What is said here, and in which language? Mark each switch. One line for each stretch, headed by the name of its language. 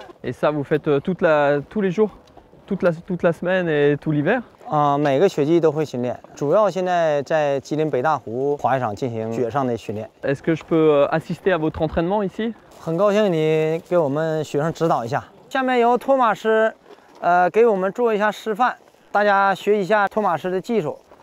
French: Et ça, vous faites toute la, tous les jours, toute la semaine et tout l'hiver?
Chinese: 每个雪季都会训练, 主要现在在吉林北大湖滑雪场进行雪上的训练。
French: Est-ce que je peux assister à votre entraînement ici?
Chinese: 很高兴你给我们学生指导一下。下面由托马斯 给我们做一下示范, 大家学一下托马斯的技术。